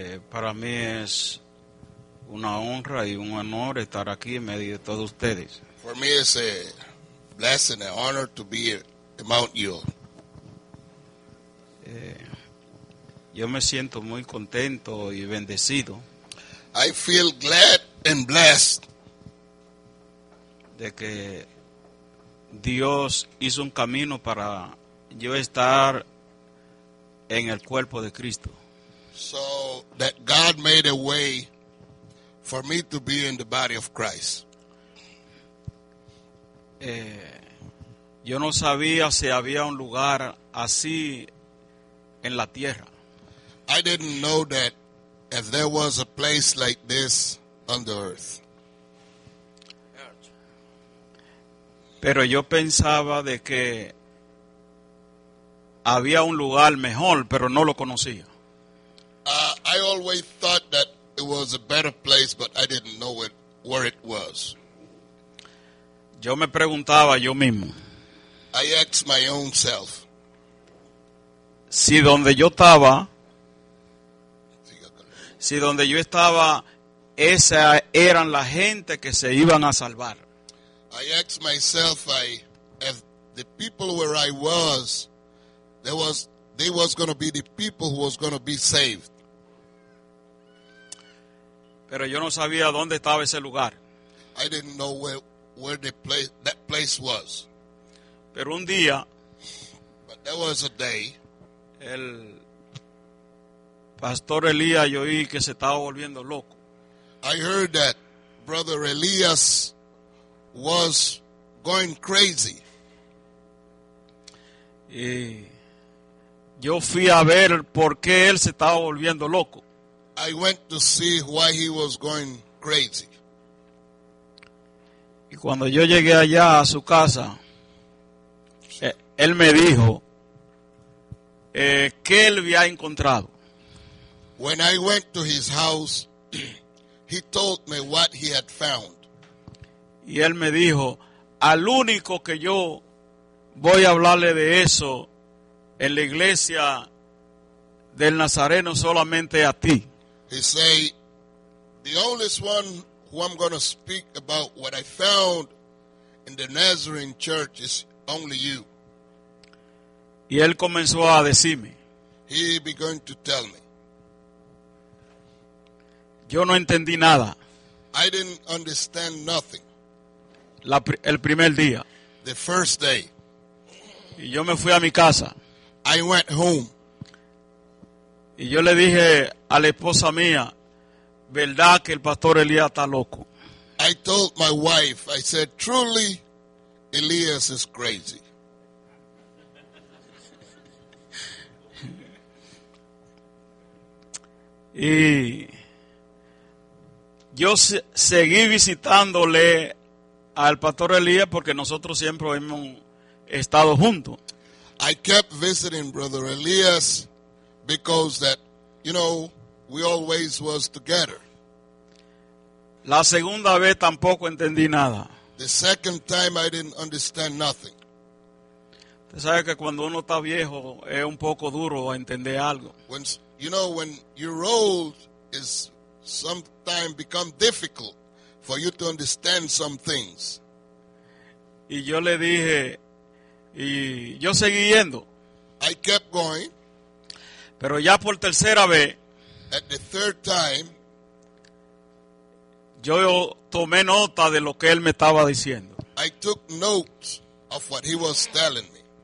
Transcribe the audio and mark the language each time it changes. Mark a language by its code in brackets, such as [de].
[es] Para mí es una honra y un honor estar aquí en medio de todos ustedes. [en] For me it's a blessing, an honor to be among you. [es] Yo me siento muy contento y bendecido. [en] I feel glad and blessed. [es] De que Dios hizo un camino para yo estar en el cuerpo de Cristo. [en] So that God made a way for me to be in the body of Christ. [es] Yo no sabía si había un lugar así en la tierra. [en] I didn't know that if there was a place like this on the earth. [es] Pero yo pensaba de que había un lugar mejor, pero no lo conocía. [en] I always thought that it was a better place, but I didn't know it, where it was. [es] Yo me preguntaba yo mismo. [en] I asked my own self. [es] Si donde yo estaba, si donde yo estaba, esa eran la gente que se iban a salvar. [en] I asked myself, if the people where I was, they was going to be the people who was going to be saved. [es] Pero yo no sabía dónde estaba ese lugar. [en] I didn't know where the place, that place was. [es] Pero un día, [en] but there was a day, [es] el pastor Elías, yo oí que se estaba volviendo loco. [en] I heard that brother Elías was going crazy. [es] Y yo fui a ver por qué él se estaba volviendo loco. [en] I went to see why he was going crazy. [es] Y cuando yo llegué allá a su casa, él me dijo, ¿qué él había encontrado? [en] When I went to his house, he told me what he had found. [es] Y él me dijo, al único que yo voy a hablarle de eso en la iglesia del Nazareno solamente a ti. [en] He said, the only one who I'm going to speak about what I found in the Nazarene church is only you. [es] Y él comenzó a decirme. [en] He began to tell me. [es] Yo no entendí nada. [en] I didn't understand nothing. [es] El primer día. [en] The first day. [es] Y yo me fui a mi casa. [en] I went home. [es] Y yo le dije a la esposa mía, ¿verdad que el pastor Elías está loco? [en] I told my wife, I said, truly, Elías is crazy. [es] Y yo seguí visitándole al pastor Elías porque nosotros siempre hemos estado juntos. [en] I kept visiting brother Elías because that, you know, we always was together. [es] La segunda vez tampoco entendí nada. [en] The second time I didn't understand nothing. [es] Usted sabe que cuando uno está viejo es un poco duro a entender algo. [en] When you're old, it's sometimes become difficult for you to understand some things. [es] Y yo le dije, y yo seguí yendo. [en] I kept going. [es] Pero ya por tercera vez, [en] at the third time, [es] yo tomé nota de lo que él me estaba diciendo. [en] I took notes of what he was telling me.